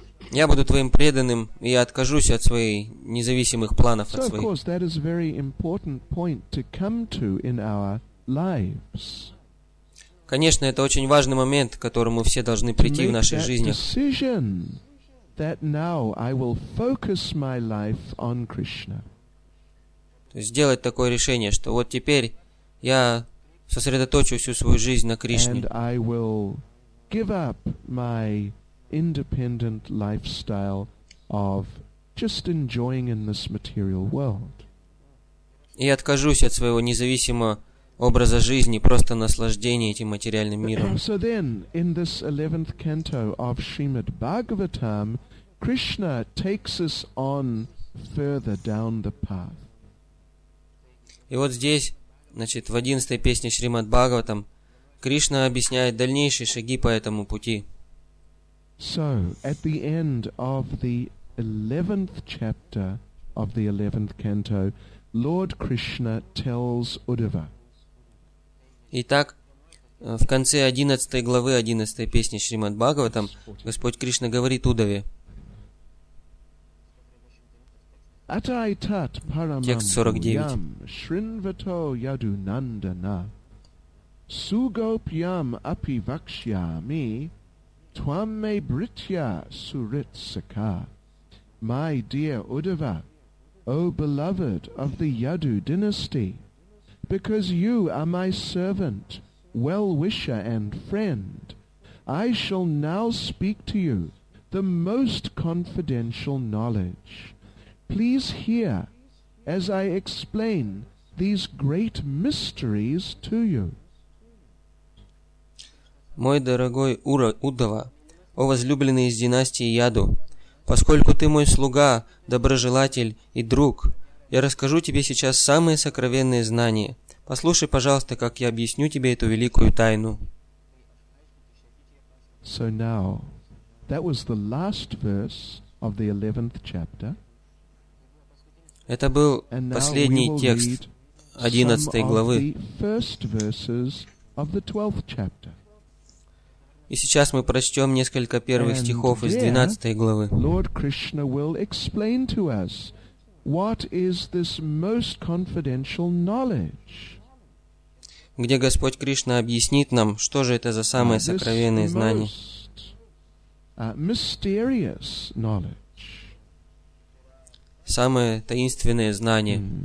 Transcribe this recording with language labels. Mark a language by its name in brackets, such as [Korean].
[Russian] Я буду твоим преданным, и я откажусь от своих независимых планов, от своих. [English] So, that is a very important point to come to in our lives. [Russian] Конечно, это очень важный момент, к которому все должны прийти в нашей жизни. [English] Decision that now I will focus my life on Krishna. [Russian] То есть сделать такое решение, что вот теперь я сосредоточу всю свою жизнь на Кришне. [English] And I will give up my independent lifestyle of just enjoying in this material world. [Russian] И откажусь от своего независимого образа жизни, просто наслаждение этим материальным миром. [English] So then, in this 11th canto of Srimad Bhagavatam, Krishna takes us on further down the path. [Russian] И вот здесь, значит, в 11-й песне Шримад Бхагаватам, Кришна объясняет дальнейшие шаги по этому пути. [English] So, at the end of the 11th chapter of the 11th canto, Lord Krishna tells Uddhava. [Russian] Итак, в конце 11 главы 11 песни Шримад Бхагаватам Господь Кришна говорит Удаве. [Sanskrit] Атай тат парамам шринвато яду нандана сугопьям апи вакшьями твам ме бритья сурит сака. [English] My dear Uddhava, O beloved of the Yadu dynasty, because you are my servant, well-wisher and friend, I shall now speak to you the most confidential knowledge. Please hear as I explain these great mysteries to you. [Russian] Мой дорогой Удава, о возлюбленный из династии Яду, поскольку ты мой слуга, доброжелатель и друг, я расскажу тебе сейчас самые сокровенные знания. Послушай, пожалуйста, как я объясню тебе эту великую тайну. [English] So now, that was the last verse of the 11th chapter. [Russian] Это был последний текст 11 главы. И сейчас мы прочтем несколько первых стихов из 12 главы. [English] Lord Krishna will explain to us what is this most confidential knowledge. [Russian] Где Господь Кришна объяснит нам, что же это за самые сокровенные знания. [English] Mysterious knowledge. [Russian] Самые таинственные знания.